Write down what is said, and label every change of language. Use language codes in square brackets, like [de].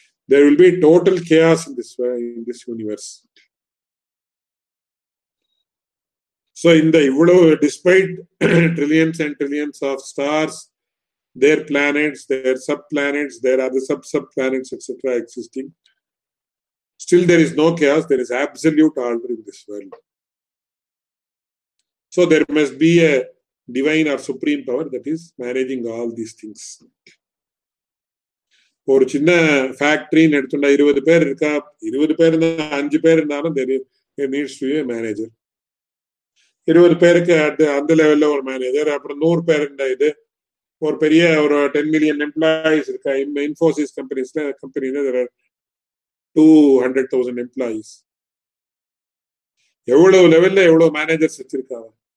[en] There will be total chaos in this universe. So [ta] இந்த இவ்வளவு [en] Despite trillions and trillions of stars their planets, their sub-planets, there are the sub-sub-planets, etc. existing. Still there is no chaos, there is absolute order in this world. So there must be a divine or supreme power that is managing all these things. [ta] ஒரு சின்ன factory நடத்துனா 20 பேர் இருக்கா, 20 பேர் இருந்தா 5 பேர் இருந்தாலும் [en] there needs to be a manager. [ta] 20 பேருக்கு அந்த லெவலில் ஒரு மேனேஜர், அப்புறம் 100 பேர் இருந்தா இது ஒரு பெரிய ஒரு 10 மில்லியன் எம்ப்ளாயிஸ் இருக்கா, இன்ஃபோசிஸ் கம்பெனிஸ்ல கம்பெனில 200,000 எம்ப்ளாயிஸ் எவ்வளவு லெவல்ல எவ்வளவு மேனேஜர்ஸ் வச்சிருக்காங்க.